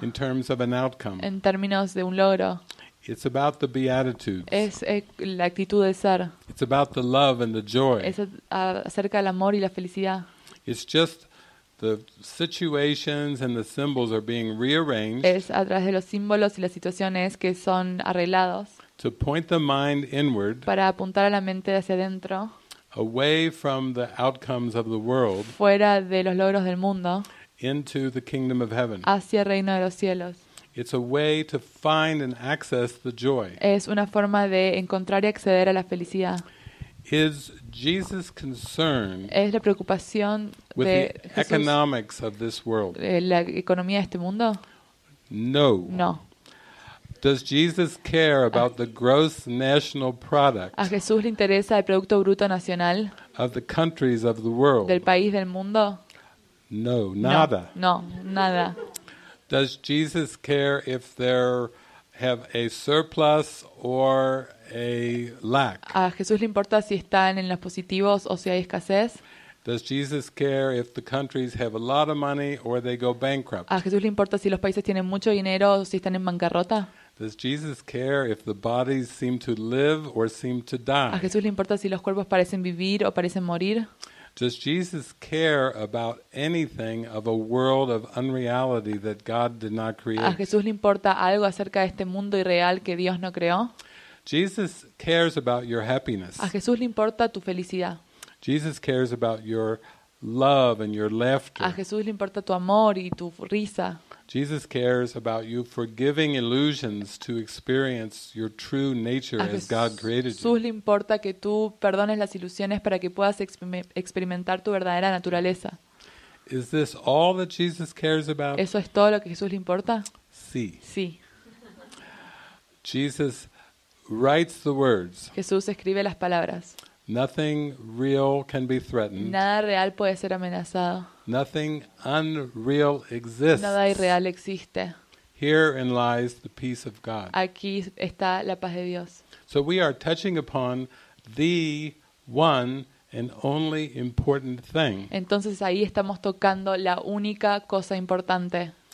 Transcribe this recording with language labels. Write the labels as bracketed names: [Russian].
[English] In terms of an outcome. [Spanish] En términos de un logro. [English] It's about the beatitudes. [Spanish] Es la actitud de ser. [English] It's about the love and the joy. [Spanish] Es acerca del amor y la felicidad. [English] It's just the situations and the symbols are being rearranged. [Spanish] Es a través de los símbolos y las situaciones que son arreglados. [English] To point the mind inward. [Spanish] Para apuntar a la mente hacia adentro. [English] Away from the outcomes of the world. [Spanish] Fuera de los logros del mundo. [English] Into the kingdom of heaven. [Spanish] Hacia el reino de los cielos. [English] It's a way to find and access the joy. [Spanish] Es una forma de encontrar y acceder a la felicidad. [English] Is Jesus concerned? [Spanish] ¿Es la preocupación [English] with [Spanish] de [English] the [Spanish] Jesús, [English] economics of this world? [Spanish] ¿La economía de este mundo? [English] No. [Spanish] No. [English] Does Jesus care about the gross national product? [Spanish] ¿A Jesús le interesa el producto bruto nacional? [English] Of the countries of the world. [Spanish] ¿Del país del mundo? No, nada. No, nada. [English] Does Jesus care if there have a surplus or a lack? [Spanish] ¿A Jesús le importa si están en los positivos o si hay escasez? [English] Does Jesus care if the countries have a lot of money or they go bankrupt? [Spanish] ¿A Jesús le importa si los países tienen mucho dinero o si están en bancarrota? [English] Does Jesus care if the bodies seem to live or seem to die? [Spanish] ¿A Jesús le importa si los cuerpos parecen vivir o parecen morir? [English] Does Jesus care about anything of a world of unreality that God did not create? [Spanish] ¿A Jesús le importa algo acerca de este mundo irreal que Dios no creó? [English] Jesus cares about your happiness. [Spanish] ¿A Jesús le importa tu felicidad? [English] Jesus cares about your love and your laughter. [Spanish] ¿A Jesús le importa tu amor y tu risa? [English] Jesus cares about you forgiving illusions to experience your true nature as God created you. [Spanish] ¿A Jesús le importa que tú perdones las ilusiones para que puedas experimentar tu verdadera naturaleza? [English] Is this all that Jesus cares about? [Spanish] ¿Eso es todo lo que Jesús le importa? Sí. Sí. [English] Jesus writes the words. [Spanish] Jesús escribe las palabras. [English] Nothing real can be threatened. [Spanish] Nada real puede ser amenazado. [English] Nothing unreal exists. [Spanish] Nada irreal existe. [English] Herein lies the peace of God. [Spanish] Aquí está la paz de Dios. [English] So we are touching upon the one and only important thing. [Spanish] Entonces ahí estamos tocando la única cosa importante.